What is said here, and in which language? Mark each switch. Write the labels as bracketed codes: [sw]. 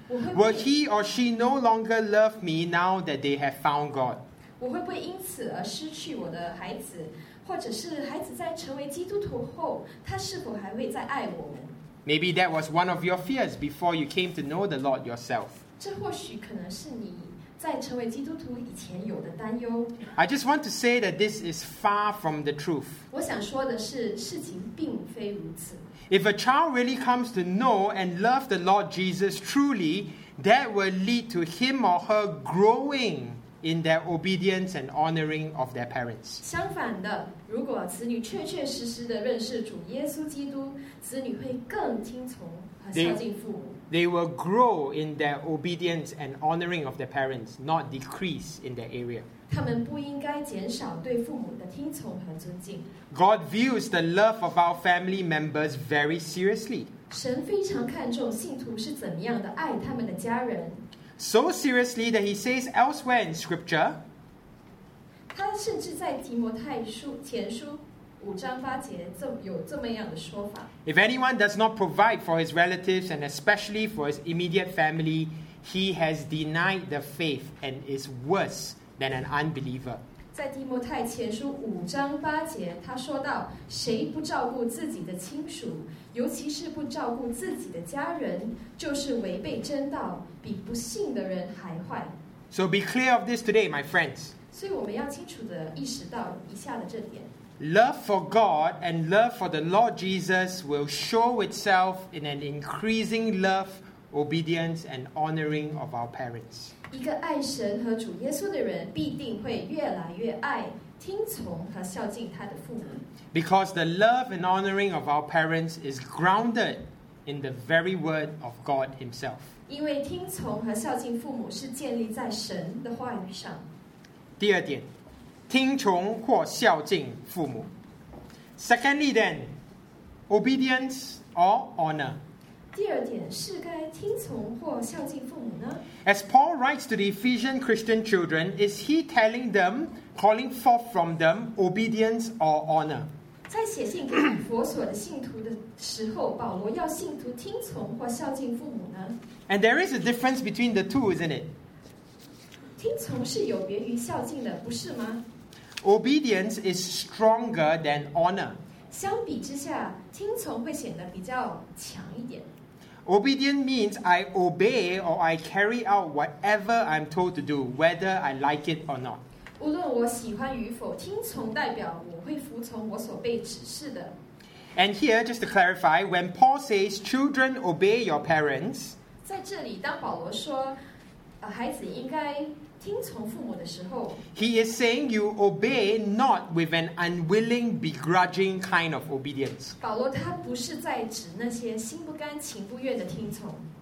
[en] Will he or she no longer love me now that they have found God? [zh] 我会不会因此而失去我的孩子，或者是孩子在成为基督徒后，他是否还会再爱我们？ [en] Maybe that was one of your fears before you came to know the Lord yourself. [zh] 这或许可能是你在成为基督徒以前有的担忧。 [en] I just want to say that this is far from the truth. [zh] 我想说的是，事情并非如此。 [en] If a child really comes to know and love the Lord Jesus truly, that will lead to him or her growing in their obedience and honoring of their parents. [zh] 相反的，如果子女确确实实的认识主耶稣基督，子女会更听从和孝敬父母。 [en] They will grow in their obedience and honoring of their parents, not decrease in their area. [zh] 他们不应该减少对父母的听从和尊敬。 [en] God views the love of our family members very seriously. [zh] 神非常看重信徒是怎么样的爱他们的家人。 [en] So seriously that he says elsewhere in scripture, [zh] 他甚至在提摩太书前书五章八节有这么样的说法。 [en] If anyone does not provide for his relatives and especially for his immediate family, he has denied the faith and is worse than an unbeliever. [zh] 在提摩太前书五章八节他说到谁不照顾自己的亲属尤其是不照顾自己的家人就是违背真道比不信的人还坏。 [en] So be clear of this today, my friends. [zh] 所以我们要清楚地意识到以下的这点。 [en] Love for God and love for the Lord Jesus will show itself in an increasing love, obedience, and honoring of our parents. [zh] 一个爱神和主耶稣的人必定会越来越爱听从和孝敬他的父母。 [en] Because the love and honoring of our parents is grounded in the very word of God himself. [zh] 因为听从和孝敬父母是建立在神的话语上。第二点，听从或孝敬父母。 [en] Secondly then, obedience or honor. [zh] 第二点是该听从或孝敬父母呢？ [en] As Paul writes to the Ephesian Christian children, is he telling them, calling forth from them, obedience or honor? [zh] 在写信给以弗所的信徒的时候，保罗要信徒听从或孝敬父母呢？ [en] And there is a difference between the two, isn't it? [zh] 听从是有别于孝敬的，不是吗？ [en] Obedience is stronger than honor. [zh] 相比之下，听从会显得比较强一点。 [en] Obedient means I obey or I carry out whatever I'm told to do, whether I like it or not. [zh] 无论我喜欢与否，听从代表我会服从我所被指示的。 [en] And here, just to clarify, when Paul says, "Children, obey your parents," [zh] 在这里，当保罗说，孩子应该听从父母的时候 [en] ，He is saying you obey not with an unwilling, begrudging kind of obedience. [zh] 保罗他不是在指那些心不甘情不愿的听从。